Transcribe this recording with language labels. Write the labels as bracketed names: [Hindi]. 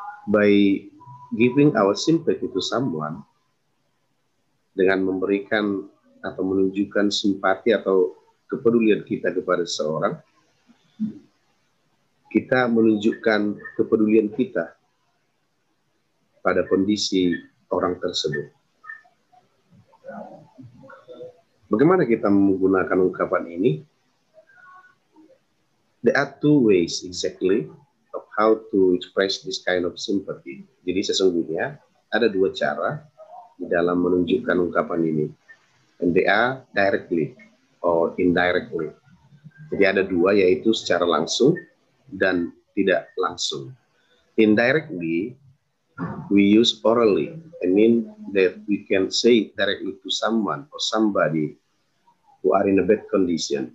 [English] By giving our sympathy to someone, [Indonesian] dengan memberikan atau menunjukkan simpati atau kepedulian kita kepada seseorang, kita menunjukkan kepedulian kita pada kondisi orang tersebut. Bagaimana kita menggunakan ungkapan ini? [English] There are two ways exactly how to express this kind of sympathy. [Indonesian] Jadi sesungguhnya ada dua cara di dalam menunjukkan ungkapan ini. [English] And they are directly or indirectly. [Indonesian] Jadi ada dua, yaitu secara langsung dan tidak langsung. [English] Indirectly, we use orally. I mean that we can say directly to someone or somebody who are in a bad condition.